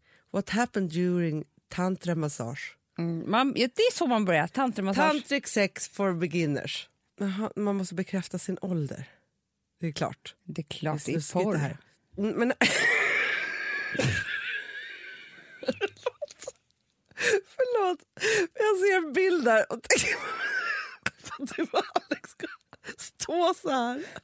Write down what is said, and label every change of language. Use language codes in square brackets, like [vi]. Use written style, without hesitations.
[en] What happened during tantra massage? [sv] Det är så man börjar, tantramassage. [en] Tantric sex for beginners. [sv] Man måste bekräfta sin ålder. Det är klart. Det är klart, det är porr det här. Men förlåt. Förlåt. Jag ser bilder och tänker att du och Alex ska stå så här.